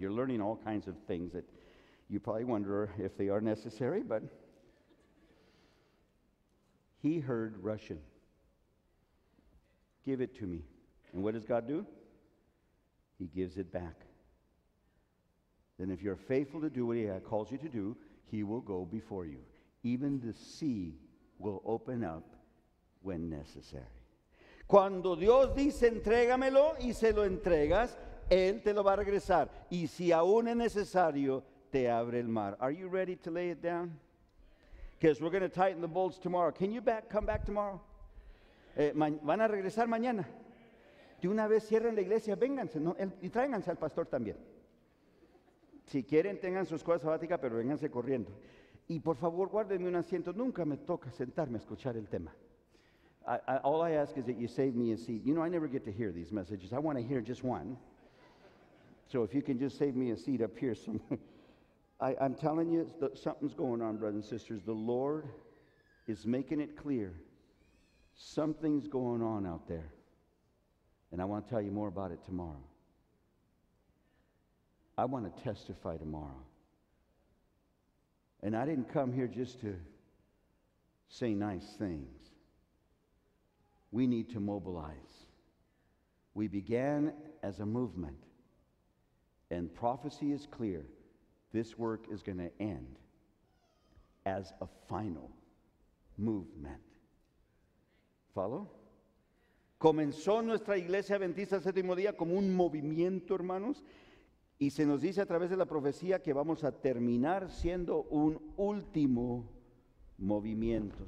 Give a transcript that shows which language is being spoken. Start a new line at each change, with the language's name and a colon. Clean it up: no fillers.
English: You're learning all kinds of things that you probably wonder if they are necessary, but he heard Russian. Give it to me. And what does God do? He gives it back. Then if you're faithful to do what he calls you to do, he will go before you. Even the sea will open up when necessary.
Spanish: Cuando Dios dice entrégamelo y se lo entregas, Él te lo va a regresar. Y si aún es necesario, te abre el mar.
English: Are you ready to lay it down? Because we're going to tighten the bolts tomorrow. Can you come back tomorrow?
Spanish: ¿Van a regresar mañana? De una vez cierren la iglesia, vénganse, ¿no? Y tráiganse al pastor también. Si quieren, tengan sus cosas sabáticas, pero vénganse corriendo. Y por favor, guárdenme un asiento. Nunca me toca sentarme a escuchar el tema.
English: All I ask is that you save me a seat. You know, I never get to hear these messages. I want to hear just one. So if you can just save me a seat up here somewhere. I'm telling you, something's going on, brothers and sisters. The Lord is making it clear. Something's going on out there. And I want to tell you more about it tomorrow. I want to testify tomorrow. And I didn't come here just to say nice things. We need to mobilize. We began as a movement, and prophecy is clear. This work is going to end as a final movement. Follow?
Spanish: Comenzó nuestra iglesia adventista el séptimo día como un movimiento, hermanos, y se nos dice a través de la profecía que vamos a terminar siendo un último movimiento.